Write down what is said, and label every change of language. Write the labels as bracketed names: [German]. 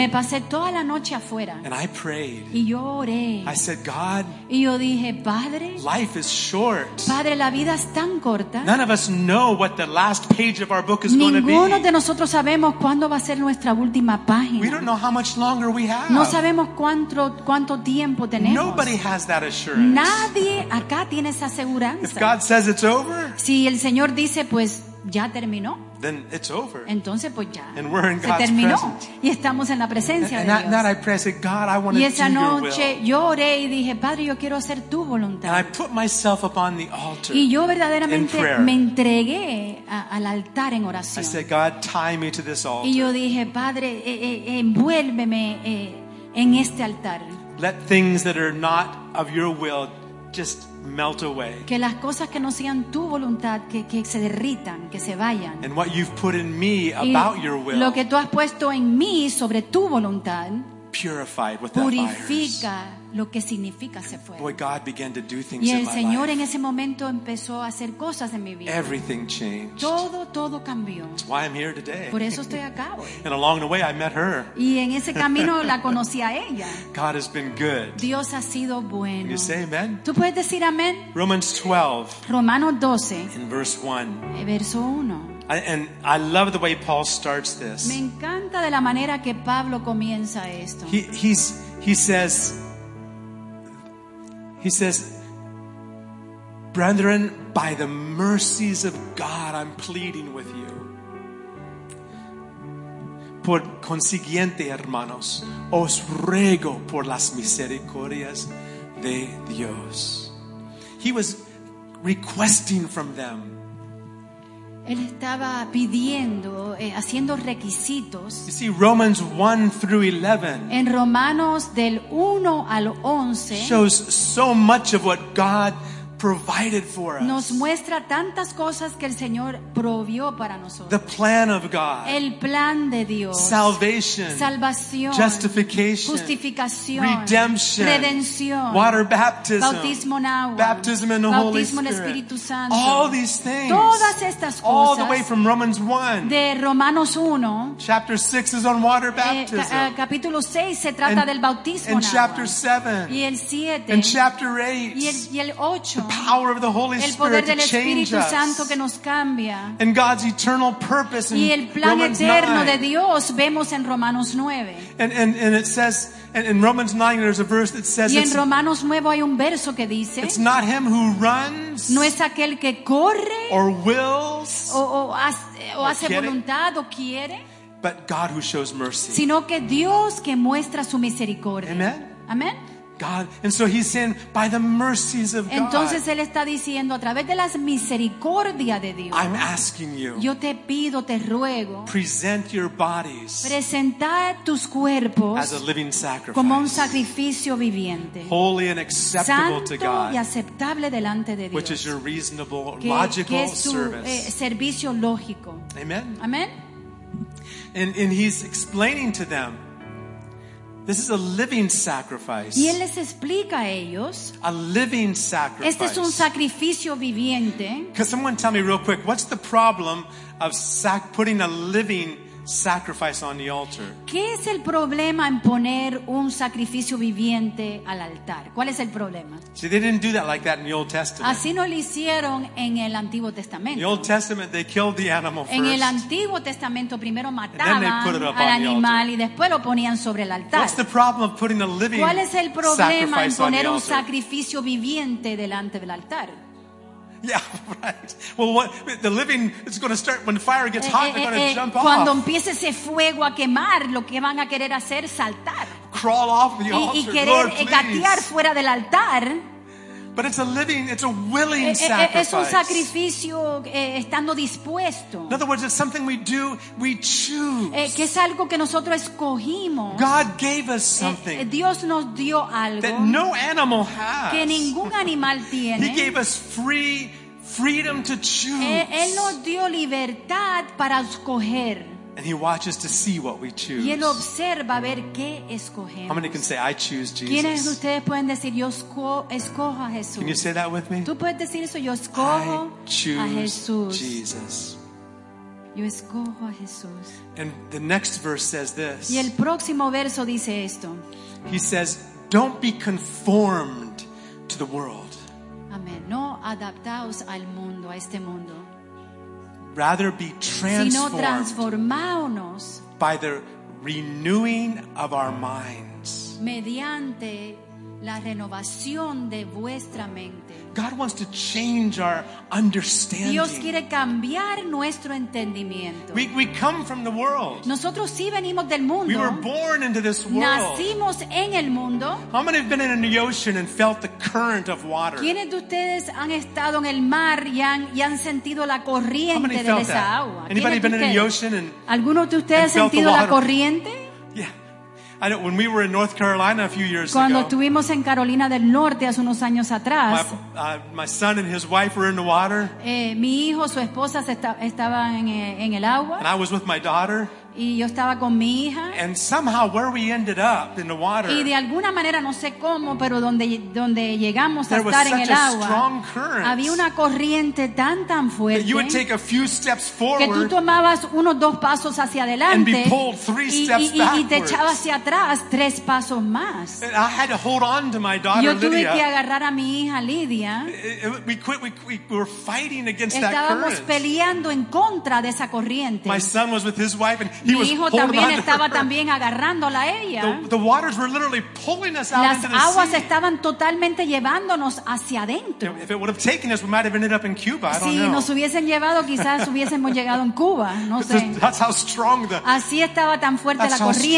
[Spanish] Me pasé toda la noche afuera. [English] And I prayed. [Spanish] Y yo oré. [English] I said, God. [Spanish] Y yo dije, Padre. [English] Life is short. [Spanish] Padre, la vida es tan corta. [English] None of us know what the last page of our book is going to be. [Spanish] Ninguno de nosotros sabemos cuándo va a ser nuestra última página. [English] We don't know how much longer we have. [Spanish] No sabemos cuánto tiempo tenemos. [English] Nobody has that assurance. [Spanish] Nadie acá tiene esa aseguranza. [English] If God says it's over, [Spanish] si el Señor dice pues ya terminó, [English] then it's over. [Spanish] Entonces pues ya. [English] And we're in [Spanish] se [English] God's [Spanish] terminó [English] presence. [Spanish] Y estamos en la presencia [English] and [Spanish] de Dios. [English] That I pray, I said, God, I want [Spanish] y esa [English] to do [Spanish] noche [English] your will. [Spanish] Yo oré y dije, Padre, yo quiero hacer tu voluntad. [English] And I put myself upon the altar. [Spanish] Y yo verdaderamente me entregué al altar en oración. [English] I said, God, tie me to this altar. [Spanish] Y yo dije, Padre, envuélveme en este altar. [English] Let things that are not of your will just melt away. [Spanish] Que las cosas que no sean tu voluntad que se derritan, que se vayan. [English] And what you've put in me about your will. [Spanish] Lo que tú has puesto en mí sobre tu voluntad. [English] Purified with [Spanish] purifica [English] that fire. [Spanish] Lo que significa se fue. [English] Boy, God began to do things [Spanish] y el [English] in my [Spanish] Señor [English] life. [Spanish] En ese momento empezó a hacer cosas en mi vida. [English] Everything changed. [Spanish] Todo cambió. [English] That's why I'm here today. [Spanish] Por eso estoy acá hoy. [English] And along the way I met her. [Spanish] Y en ese camino la conocí a ella. [English] God has been good. [Spanish] Dios ha sido bueno. [English] Can you say amen? [Spanish] ¿Tú puedes decir amén? [English] Romans 12. [Spanish] Romanos 12. [English] In verse 1. [Spanish] Verso 1. [English] And I love the way Paul starts this. [Spanish] Me encanta de la manera que Pablo comienza esto. [English] He says, brethren, by the mercies of God, I'm pleading with you. [Spanish] Por consiguiente, hermanos, os ruego por las misericordias de Dios. [English] He was requesting from them. [Spanish] Él estaba pidiendo, haciendo requisitos. [English] You see, Romans 1 through 11. [Spanish] En Romanos del 1 al 11. [English] Shows so much of what God provided for us. [Spanish] Nos muestra tantas cosas que el Señor provió para nosotros. [English] The plan of God. [Spanish] El plan de Dios. [English] Salvation. [Spanish] Salvación. [English] Justification. [Spanish] Justificación. [English] Redemption. [Spanish] Redención. [English] Water baptism. [Spanish] Bautismo en agua. [English] Baptism in the [Spanish] Bautismo [English] Holy Spirit. [Spanish] Bautismo en el Espíritu Santo. [English] All these things. [Spanish] Todas estas cosas. [English] All the way from Romans 1. [Spanish] De Romanos 1. [English] Chapter 6 is on water baptism. [Spanish] Capítulo 6 se trata del bautismo en agua. [English] And chapter 7. [Spanish] Y el 7. [English] And chapter 8. [Spanish] Y el 8. [English] The power of the Holy Spirit to change us. [Spanish] Santo que nos cambia. [English] And God's eternal purpose in [Spanish] y el plan [English] Romans [Spanish] eterno 9. De Dios vemos en Romanos 9. [English] And it says, and in Romans 9 there's a verse that says, [Spanish] y en Romanos 9 hay un verso que dice, [English] it's not him who runs, [Spanish] no es aquel que corre, [English] or wills, [Spanish] o hace voluntad, o quiere, [English] but God who shows mercy. [Spanish] Sino que Dios que muestra su misericordia. [English] Amen. [Spanish] Amen. [English] God, and so he's saying, by the mercies of God. [Spanish] Entonces él está diciendo a través de las misericordias de Dios. [English] I'm asking you. [Spanish] Yo te pido, te ruego. [English] Present your bodies. [Spanish] Presentad tus cuerpos. [English] As a living sacrifice. [Spanish] Como un sacrificio viviente. [English] Holy and acceptable [Spanish] santo [English] to God. [Spanish] Y aceptable delante de Dios. [English] Which is your reasonable, [Spanish] que, [English] logical [Spanish] que es tu, [English] service. [Spanish] Servicio lógico. [English] Amen. [Spanish] Amen. [English] And he's explaining to them. This is a living sacrifice. [Spanish] Y él les explica a ellos. [English] A living sacrifice. [Spanish] Este es un sacrificio viviente. [English] Can someone tell me real quick, what's the problem of putting a living sacrifice on the altar? [Spanish] ¿Qué es el problema en poner un sacrificio viviente al altar? ¿Cuál es el problema? [English] See, they didn't do that like that in the Old Testament. [Spanish] Así no lo hicieron en el Antiguo Testamento. [English] In the Old Testament, they killed the animal first. [Spanish] En el Antiguo Testamento primero mataban [English] and then they put it up [Spanish] al [English] on [Spanish] animal [English] the altar. [Spanish] Y después lo ponían sobre el altar. [English] What's the problem of putting a living [Spanish] ¿cuál es el problema [English] sacrifice [Spanish] en poner [English] on the [Spanish] un [English] altar? [Spanish] Sacrificio viviente delante del altar? [English] Yeah, right. Well, what the living is going to start when the fire gets hot, they're going to jump [Spanish] cuando [English] off. [Spanish] Cuando empiece ese fuego a quemar, lo que van a querer hacer es saltar. [English] Crawl off the altar, [Spanish] y querer [English] Lord, please. [Spanish] Gatear fuera del altar. [English] But it's a living, it's a willing sacrifice. [Spanish] Es un sacrificio estando dispuesto. [English] In other words, it's something we do, we choose. [Spanish] Que es algo que nosotros escogimos. [English] God gave us something. [Spanish] Dios nos dio algo. [English] That no animal has. [Spanish] Que ningún animal tiene. [English] He gave us freedom to choose. [Spanish] Él nos dio libertad para escoger. [English] And he watches to see what we choose. [Spanish] Y él observa a ver qué escogemos. [English] How many can say I choose Jesus? [Spanish] ¿Quiénes de ustedes pueden decir yo escojo a Jesús? [English] Can you say that with me? [Spanish] Tú puedes decir eso, yo escojo a Jesús. [English] Jesus. [Spanish] Yo escojo a Jesús. [English] And the next verse says this. [Spanish] Y el próximo verso dice esto. [English] He says, "Don't be conformed to the world." [Spanish] Amén. No adaptaos al mundo, a este mundo. [English] Rather be transformed by the renewing of our minds. [Spanish] Mediante la renovación de vuestra mente. [English] God wants to change our understanding. [Spanish] Dios quiere cambiar nuestro entendimiento. [English] We come from the world. [Spanish] Nosotros sí venimos del mundo. [English] We were born into this world. [Spanish] Nacimos en el mundo. [English] How many have been in an ocean and felt the current of water? [Spanish] ¿Quiénes de ustedes han estado en el mar y han sentido la corriente de esa agua? [English] Anybody been in an ocean and [Spanish] ¿Alguno de ustedes ha sentido la corriente? [English] Yeah. I know, when we were in North Carolina a few years [Spanish] Cuando [English] ago, [Spanish] estuvimos en Carolina del Norte hace unos años atrás, [English] my son and his wife were in the water. [Spanish] Mi hijo, su esposa estaban en el agua. [English] And I was with my daughter. [Spanish] Y yo estaba con mi hija. [English] And somehow where we ended up in the water. [Spanish] Y de alguna manera no sé cómo, pero donde llegamos a estar en el agua. [English] There was such a strong current. [Spanish] Había una corriente tan fuerte. [English] That you would take a few steps forward. [Spanish] Que tú tomabas unos dos pasos hacia adelante. [English] And be pulled three steps backwards. [Spanish] Y te echabas hacia atrás tres pasos más. [English] I had to hold on to my daughter Lydia. [Spanish] Yo tuve que agarrar a mi hija Lydia. [English] We were fighting against that current. [Spanish] Estábamos peleando en contra de esa corriente. [English] My son was with his wife and [Spanish] mi hijo también estaba también agarrándola a ella. [English] The waters were literally pulling us out into the sea. [Spanish] Las aguas estaban totalmente llevándonos hacia adentro. [English] If it would have taken us, we might have ended up in Cuba. I don't know. [Spanish] Si nos hubiesen llevado, quizás hubiésemos llegado en Cuba. No sé. [English] That's how strong the. [Spanish] Así estaba tan fuerte la corriente.